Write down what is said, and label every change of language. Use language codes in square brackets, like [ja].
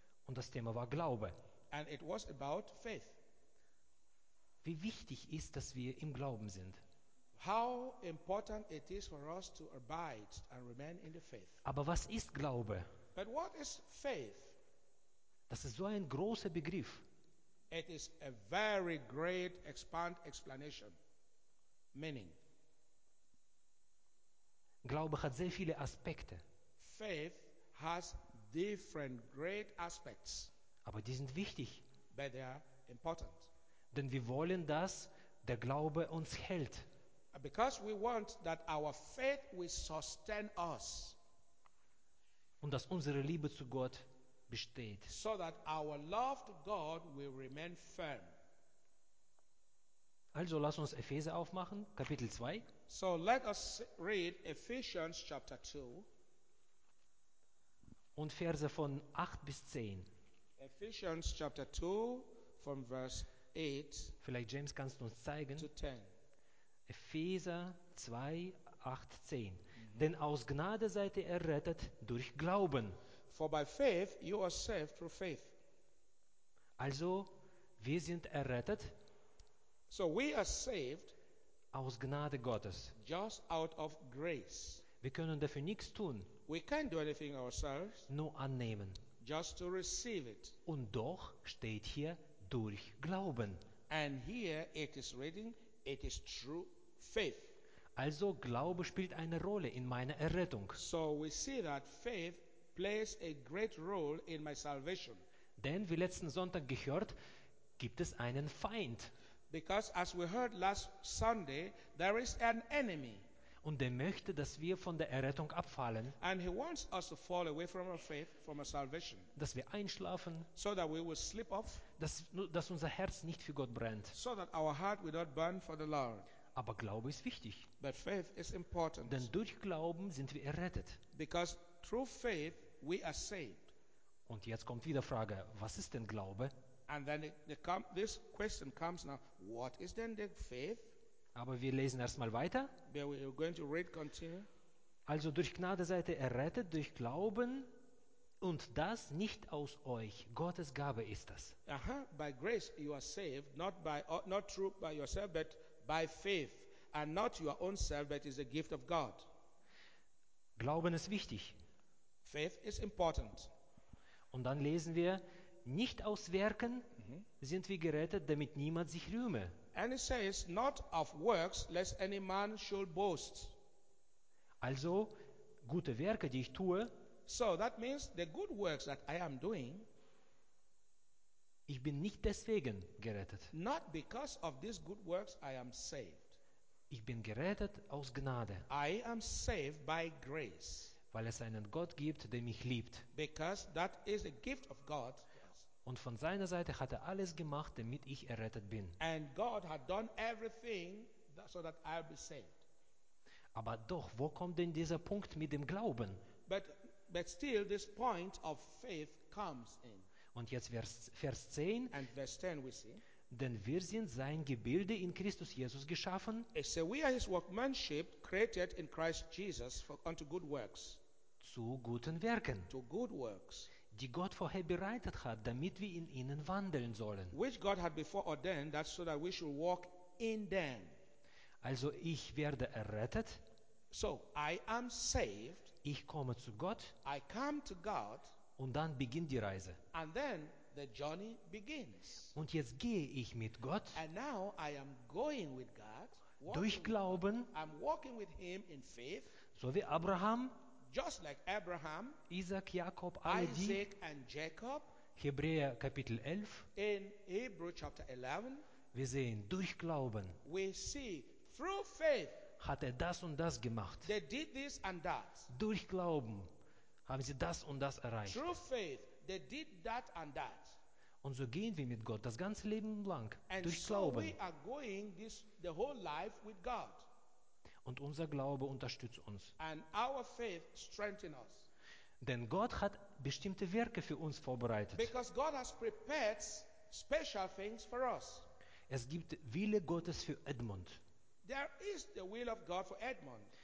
[de] Und das Thema war Glaube. [en] And it was about faith. [de] Wie wichtig ist, dass wir im Glauben sind. [en] How important it is for us to abide and remain in the faith. [de] Aber was ist Glaube? [en] But what is faith? [de] Das ist so ein großer Begriff. [en] It is a very great expand explanation. Meaning. [de] Glaube hat sehr viele Aspekte. [en] Faith has different great aspects. [de] Aber die sind wichtig. [en] But they are important. [de] Denn wir wollen, dass der Glaube uns hält. [en] Because we want that our faith will sustain us. [de] Und dass unsere Liebe zu Gott besteht. [en] So that our love to God will remain firm. [de] Also lass uns Epheser aufmachen, Kapitel 2. [en] So let us read Ephesians chapter 2. [de] Und Verse von 8 bis 10. [en] Ephesians chapter 2 from verse 8. [de] Vielleicht James kannst du uns zeigen. [en] To 10. [de] Epheser 2, 8, 10. Mm-hmm. Denn aus Gnade seid ihr errettet durch Glauben. [en] For by faith you are saved through faith. [de] Also, wir sind errettet. [en] So we are saved. [de] Aus Gnade Gottes. [en] Just out of grace. [de] Wir können dafür nichts tun. [en] We can't do anything ourselves. [de] Nur annehmen. [en] Just to receive it. [de] Und doch steht hier durch Glauben. [en] And here it is written, it is true faith. [de] Also Glaube spielt eine Rolle in meiner Errettung. [en] So we see that faith plays a great role in my salvation. [de] Denn wie letzten Sonntag gehört, gibt es einen Feind. [en] Because as we heard last Sunday, there is an enemy. [de] Und er möchte, dass wir von der Errettung abfallen. [en] And he wants us to fall away from our faith, from our salvation. [de] Dass wir einschlafen. [en] So that we will sleep off. [de] Dass unser Herz nicht für Gott brennt. [en] So that our heart will not burn for the Lord. [de] Aber Glaube ist wichtig. [en] But faith is important. [de] Denn durch Glauben sind wir errettet. [en] Because through faith we are saved. [de] Und jetzt kommt wieder Frage, was ist denn Glaube? [en] And then this question comes now, what is then the faith? [de] Aber wir lesen erstmal weiter. [en] We are going to read, continue. [de] Also durch Gnade seid ihr errettet, durch Glauben, und das nicht aus euch. Gottes Gabe ist das. [en] Aha, by grace you are saved, not through by yourself, but by faith, and not your own self, but is a gift of God. [de] Glauben ist wichtig. [en] Faith is important. [de] Und dann lesen wir, nicht aus Werken sind wir gerettet, damit niemand sich rühme. [en] And it says, not of works, lest any man should boast. [de] Also, gute Werke, die ich tue. [en] So that means the good works that I am doing. [de] Ich bin nicht deswegen gerettet. [en] Not because of these good works I am saved. [de] Ich bin gerettet aus Gnade. [en] I am saved by grace. [de] Weil es einen Gott gibt, der mich liebt. [en] Because that is a gift of God. [de] Und von seiner Seite hat er alles gemacht, damit ich errettet bin. [en] And God had done everything so that I'll be saved. [de] Aber doch, wo kommt denn dieser Punkt mit dem Glauben? [en] But But still this point of faith comes in. [de] Und jetzt Vers 10. [en] And verse 10 we see. [de] Denn wir sind sein Gebilde in Christus Jesus geschaffen. [en] It says we are his workmanship created in Christ Jesus for unto good works. [de] Zu guten Werken. [en] To good works. [de] Die Gott vorher bereitet hat, damit wir in ihnen wandeln sollen. [en] Which God had before ordained that so that we should walk in them. [de] Also ich werde errettet. [en] So I am saved. [de] Ich komme zu Gott. [en] I come to God. [de] Und dann beginnt die Reise. [en] And then the journey begins. [de] Und jetzt gehe ich mit Gott. [en] And now I am going with God. [de] Durch Glauben. [en] I'm walking with him in faith. [de] So wie Abraham. [en] Just like Abraham, [de] Isaac, Jakob, [en] Isaac and Jacob, [de] Hebräer Kapitel 11, [en] in Hebrew chapter 11, [de] wir sehen, durch Glauben, [en] we see, through faith, [de] hat er das und das gemacht. [en] They did this and that. [de] Durch Glauben haben sie das und das erreicht. [en] Through faith, they did that and that. [de] Und so gehen wir mit Gott das ganze Leben lang, [en] and [de] durch [en] so [de] Glauben. [en] We are going this, the whole life with God. [de] Und unser Glaube unterstützt uns. [en] And our faith strengthen us. [de] Denn Gott hat bestimmte Werke für uns vorbereitet. [en] Because God has prepared special things for us. [de] Es gibt Wille Gottes für Edmund. [en] There is the will of God for Edmund.